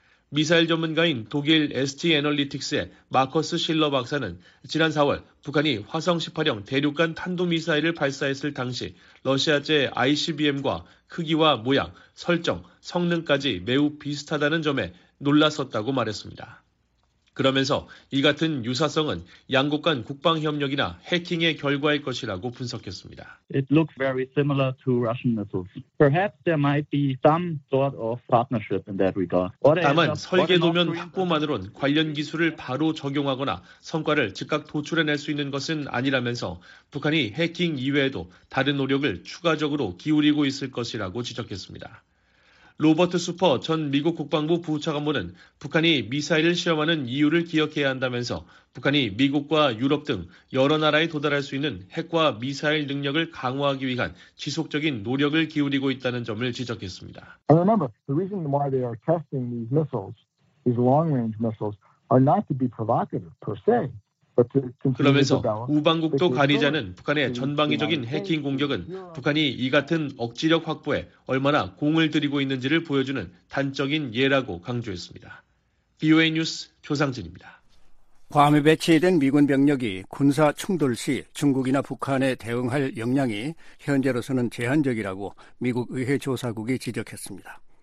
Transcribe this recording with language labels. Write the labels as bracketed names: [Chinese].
[Korean] 미사일 전문가인 독일 ST 애널리틱스의 마커스 실러 박사는 지난 4월 북한이 화성 18형 대륙간 탄도미사일을 발사했을 당시 러시아제 ICBM과 크기와 모양, 설정, 성능까지 매우 비슷하다는 점에 놀랐었다고 말했습니다. 그러면서 이 같은 유사성은 양국 간 국방협력이나 해킹의 결과일 것이라고 분석했습니다. [English] It looks very similar to Russian missiles. Perhaps there might be some sort of partnership in that regard. [Korean] 다만 설계도면 확보만으론 관련 기술을 바로 적용하거나 성과를 즉각 도출해낼 수 있는 것은 아니라면서 북한이 해킹 이외에도 다른 노력을 추가적으로 기울이고 있을 것이라고 지적했습니다. 로버트 슈퍼 전 미국 국방부 부차관보는 북한이 미사일을 시험하는 이유를 기억해야 한다면서 북한이 미국과 유럽 등 여러 나라에 도달할 수 있는 핵과 미사일 능력을 강화하기 위한 지속적인 노력을 기울이고 있다는 점을 지적했습니다. [English] And remember, the reason why they are testing these missiles, these long-range missiles, are not to be provocative per se. [Korean] 그러면서 우방국도 가리자는 북한의 전방위적인 해킹 공격은 북한이 이 같은 억지력 확보에 얼마나 공을 들이고 있는지를 보여주는 단적인 예라고 강조했습니다. BOA 뉴스 조상진입니다. 괌에 배치된 미군 병력이 군사 충돌 시 중국이나 북한에 대응할 역량이 현재로서는 제한적이라고 미국 의회 조사국이 지적했습니다.